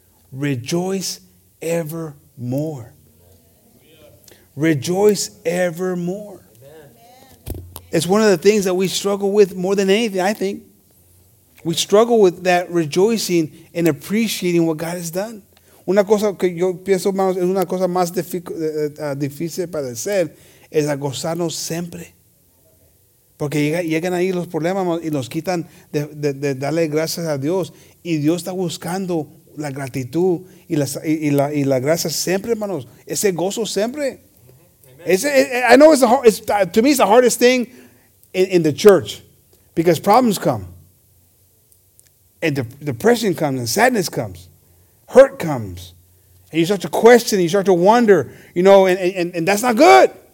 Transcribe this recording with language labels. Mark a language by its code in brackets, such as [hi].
[en] Rejoice evermore. Rejoice evermore. Amen. It's one of the things that we struggle with more than anything, I think. We struggle with that rejoicing and appreciating what God has done. [es] Una cosa que yo pienso, hermanos, es una cosa más difícil para hacer, es gozarnos siempre. Porque llegan ahí los problemas y nos quitan de darle gracias a Dios. Y Dios está buscando la gratitud y la gracia siempre, hermanos. Ese gozo siempre. [en] I know it's the hardest thing in the church, because problems come. And depression comes, and sadness comes. Hurt comes, and you start to question, you start to wonder, you know, and that's not good.